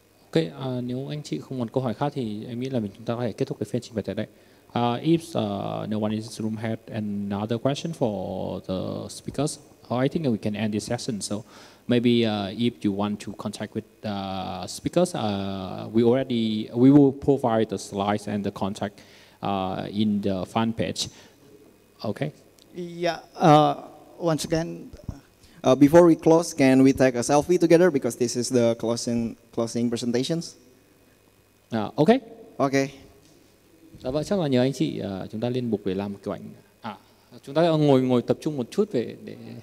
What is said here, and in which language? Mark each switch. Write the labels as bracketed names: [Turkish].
[Vietnamese] OK, nếu anh chị không còn câu hỏi khác thì em nghĩ là chúng ta có thể kết thúc cái phiên trình bày tại đây. [English] If no one in this room had another question for the speakers, I think we can end this session. So maybe if you want to contact with the speakers, we will provide the slides and the contact in the fan page. Okay. Yeah. Once again, Before we close, can we take a selfie together because this is the closing presentations? Okay. Okay. [Vietnamese] Dạ vâng, chắc là nhờ anh chị chúng ta lên bục để làm một kiểu ảnh. Chúng ta ngồi tập trung một chút về để.